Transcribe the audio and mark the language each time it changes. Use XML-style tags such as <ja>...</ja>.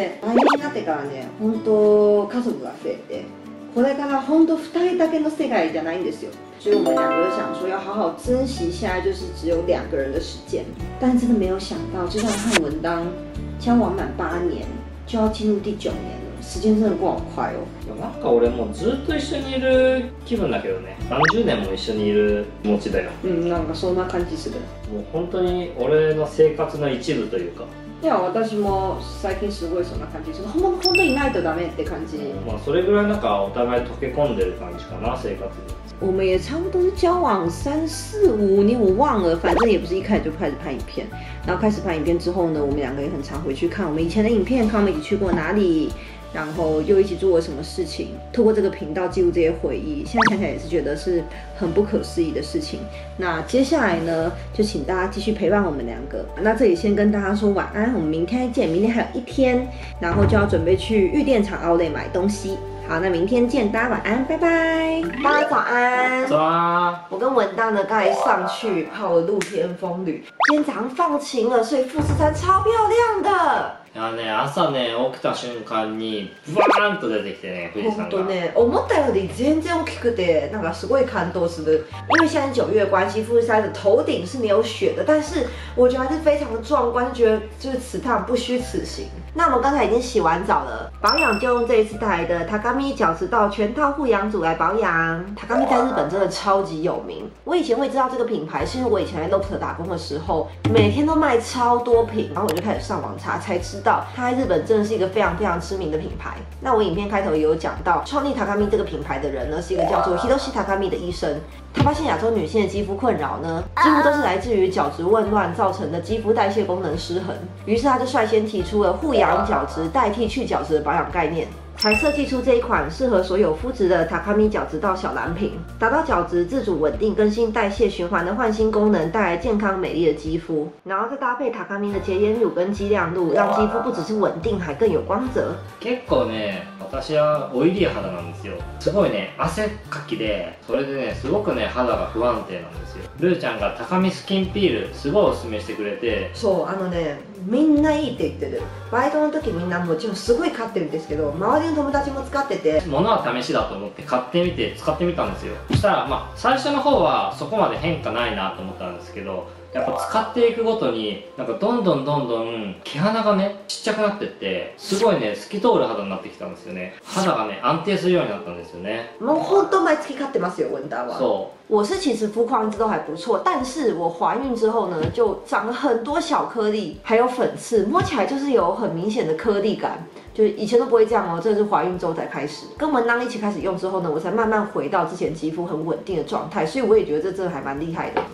<ja>来年になってからね、本当家族が増えて、これから本当二人だけの世界じゃないんですよ。</ja> <zh>所以我们两个想说要好好珍惜一下，就是只有两个人的时间。但真的没有想到，就像看文章，交往满八年，就要进入第九年了。时间真的过好快哦。</zh> <ja>なんか俺もずっと一緒にいる気分だけどね。何十年も一緒にいる気持ちだよ。嗯，なんかそんな感じする。もう本当に俺の生活の一部というか。いや、私も最近すごいそんな感じ。本当にいないとダメって感じ。まあそれぐらいなんかお互い溶け込んでる感じかな、生活に。</ja> <zh>我们也差不多是交往三四五年，我忘了，反正也不是一开始就开始拍影片。然后开始拍影片之后呢，我们两个也很常回去看我们以前的影片，看我们一起去过哪里，然后又一起做了什么事情。透过这个频道记录这些回忆，现在想想也是觉得是很不可思议的事情。那接下来呢，就请大家继续陪伴我们两个。那这里先跟大家说晚安，我们明天见。明天还有一天，然后就要准备去玉电厂奥莱买东西。好，那明天见，大家晚安，拜拜。大家早安。早安。我跟文道呢，刚才上去泡了露天风吕。今天早上放晴了，所以富士山超漂亮的。</zh> <ja>いやね、朝ね、起きた瞬間にブワーンと出てきてね、富士山が。本当ね、思ったより全然大きくて、なんかすごい感動する。</ja> <zh>因为现在九月关系，富士山的头顶是没有雪的，但是我觉得还是非常的壮观，觉得就是此趟不虚此行。那我们刚才已经洗完澡了，保养就用这一次带来的 Takami 角质道全套护养组来保养。 Takami 在日本真的超级有名，我以前会知道这个品牌，是因为我以前在 Lotte 打工的时候，每天都卖超多瓶，然后我就开始上网查，才知道它在日本真的是一个非常非常知名的品牌。那我影片开头也有讲到，创立 Takami 这个品牌的人呢，是一个叫做 Hiroshi Takami 的医生。他发现亚洲女性的肌肤困扰呢，几乎都是来自于角质紊乱造成的肌肤代谢功能失衡。于是他就率先提出了护养角质代替去角质的保养概念，才设计出这一款适合所有肤质的 Takami 角质道小蓝瓶，达到角质自主稳定、更新代谢循环的焕新功能，带来健康美丽的肌肤。然后再搭配 Takami 的洁颜乳跟肌亮露，让肌肤不只是稳定，还更有光泽。</zh> <ja>結構ね、私はオイリー肌なんですよ。すごいね、汗っかきで、それでね、すごくね、肌が不安定なんですよ。ルーちゃんが Takami スキンピール、すごいおすすめしてくれて。そう、あのね、みんないいって言ってる。バイトの時みんなもちろんすごい買ってるんですけど、周りの友達も使ってて、物は試しだと思って買ってみて使ってみたんですよ。そしたらまあ最初の方はそこまで変化ないなと思ったんですけど、やっぱ使っていくごとになんかどんどんどんどん毛穴がねちっちゃくなってって、すごいね透き通る肌になってきたんですよね。肌がね安定するようになったんですよね。もう本当毎月買ってますよ、ウェンダーは。そう、</ja> <zh>我是其实肤况一直都还不错，但是我怀孕之后呢，就长了很多小颗粒，还有粉刺，摸起来就是有很明显的颗粒感，就以前都不会这样哦。这是怀孕之后才开始，跟文当一起开始用之后呢，我才慢慢回到之前肌肤很稳定的状态，所以我也觉得这真的还蛮厉害的。</zh>